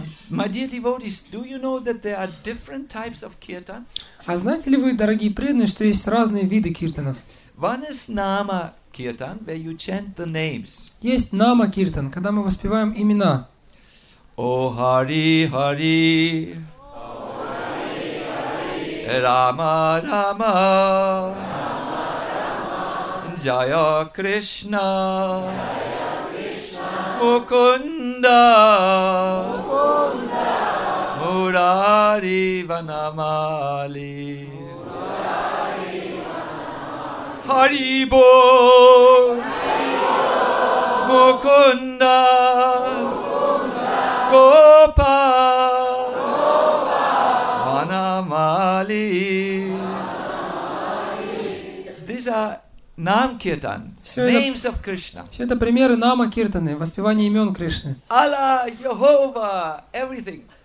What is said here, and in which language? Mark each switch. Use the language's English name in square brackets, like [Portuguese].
[English] My dear devotees, do you know that there are different types of kirtan? [Russian] А знаете ли вы, дорогие преданные, что есть разные виды киртанов? [English] One is nama kirtan, where you chant the names. [Russian] Есть нама киртан, когда мы воспеваем имена. [Sanskrit] О Хари Хари. Рама Рама. Jaya Krishna, Mukunda, Murari Vanamali, Hari Bol, Mukunda, Gopa, Vanamali. [English] These are Нам киртан. Names of Krishna. [Russian] Все это примеры нама киртаны, воспевание имен Кришны. [English] Аллах, Йехова, everything.